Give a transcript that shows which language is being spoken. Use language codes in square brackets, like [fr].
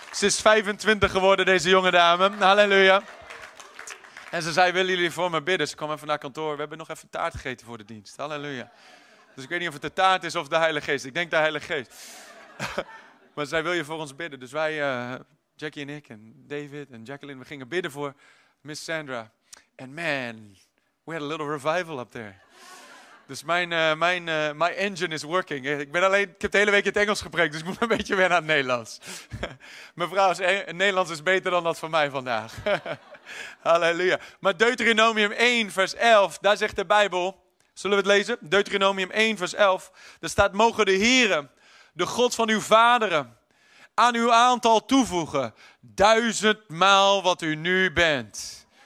[nl] Ze is 25 geworden, deze jonge dame. Halleluja. En ze zei, willen jullie voor me bidden? Ze kwam even naar kantoor. We hebben nog even taart gegeten voor de dienst. Halleluja. Dus ik weet niet of het de taart is of de Heilige Geest. Ik denk de Heilige Geest. Maar zij wil je voor ons bidden. Dus wij, Jackie en ik en David en Jacqueline, we gingen bidden voor Miss Sandra. [en] And man, we had a little revival up there. Dus my engine is working. [nl] Ik heb de hele week in het Engels gepreekt, dus ik moet een beetje weer naar het Nederlands. Mevrouw, Nederlands is beter dan dat van mij vandaag. Halleluja. Maar Deuteronomium 1 vers 11, daar zegt de Bijbel, zullen we het lezen? Deuteronomium 1 vers 11, daar staat, mogen de Heere, de God van uw vaderen, aan uw aantal toevoegen, 1000 maal wat u nu bent.